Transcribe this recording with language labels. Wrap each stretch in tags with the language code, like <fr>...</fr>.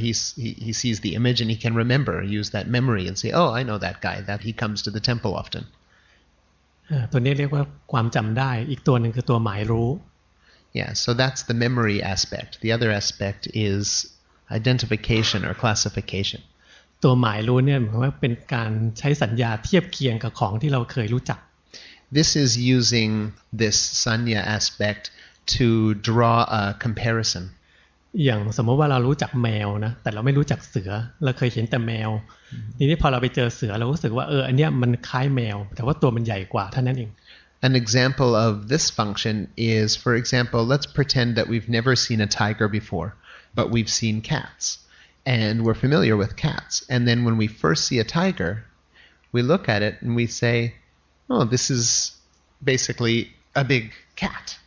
<en>He sees the image and he can remember, use that memory and say, oh, I know that guy, that he comes to the temple often.</en> <th>ตัวนี้เรียกว่าความจำได้อีกตัวหนึ่งคือตัวหมายรู้</th> <en>Yeah, so that's the memory aspect. The other aspect is identification or classification.</en> <th>ตัวหมายรู้เนี่ยหมายว่าเป็นการใช้สัญญาเทียบเคียงกับของที่เราเคยรู้จัก</th> <en>This is using this sanya aspect to draw a comparison.</en> <th>อย่างสมมติว่าเรารู้จักแมวนะแต่เราไม่รู้จักเสือเราเคยเห็นแต่แมวทีนี้พอเราไปเจอเสือเรารู้สึกว่าเอออันเนี้ยมันคล้ายแมวแต่ว่าตัวมันใหญ่กว่าเท่านั้นเอง</th> <en>An example of this function is, for example, let's pretend that we've never seen a tiger before, but we've seen cats, and we're familiar with cats. And then when we first see a tiger, we look at it and we say, oh, this is basically a big cat.</en>